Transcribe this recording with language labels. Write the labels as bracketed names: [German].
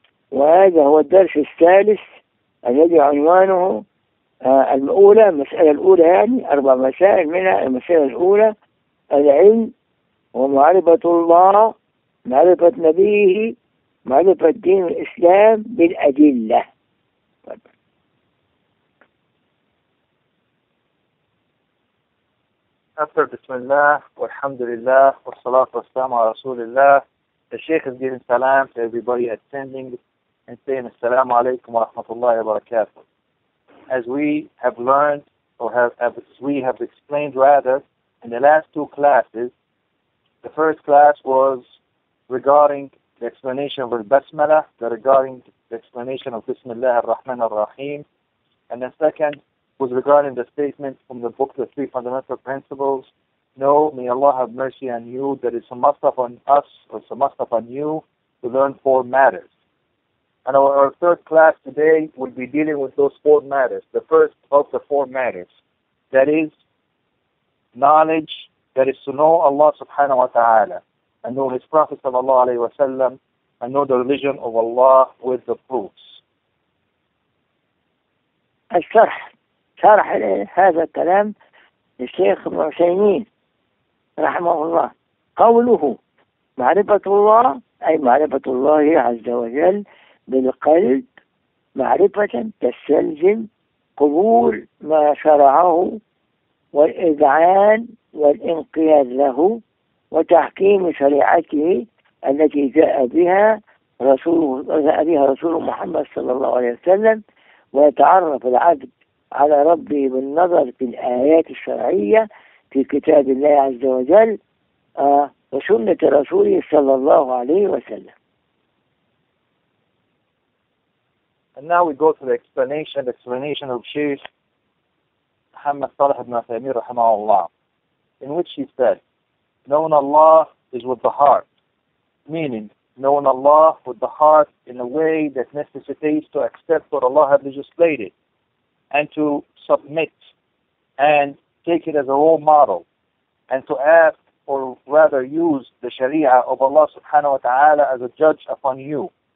[Arabic] وهذا هو الدرس الثالث الذي عنوانه الأولى، المسألة الأولى يعني أربع مسائل، منها المسألة الأولى العلم ومعرفة الله، معرفة نبيه، معرفة دين الإسلام بالأدلة. أفضل بسم الله والحمد لله والصلاة والسلام على رسول الله. [English] الشيخ is giving salam to everybody attending and saying [Arabic] السلام عليكم ورحمة الله وبركاته. [English] As we have learned or have explained rather in the last two classes, the first class was regarding the explanation of al-basmala, regarding the explanation of Bismillah ar-Rahman ar-Rahim, and the second was regarding the statement from the book, The Three Fundamental Principles. No, may Allah have mercy on you, that it's a must upon us, or it's a must upon you, to learn four matters. And our third class today will be dealing with those four matters, the first of the four matters, that is, knowledge, that is to know Allah subhanahu wa ta'ala, and know His Prophet sallallahu alayhi wa sallam, and know the religion of Allah with the proofs. [Arabic] شرح هذا الكلام للشيخ ابن عثيمين رحمه الله. قوله معرفة الله أي معرفة الله عز وجل بالقلب، معرفة تستلزم قبول ما شرعه والإذعان والإنقياد له وتحكيم شريعته التي جاء بها رسول محمد صلى الله عليه وسلم، ويتعرف العبد على ربه بالنظر في الآيات الشرعية في كتاب الله عز وجل وسنة رسوله صلى الله عليه وسلم. [English] And now we go to the explanation of Sheikh Muhammad Salih ibn Uthaymeen رحمه الله, in which he said, knowing Allah is with the heart, meaning knowing Allah with the heart in a way that necessitates to accept what Allah has legislated and to submit and take it as a role model and to act or rather use the sharia of Allah subhanahu wa ta'ala as a judge upon you.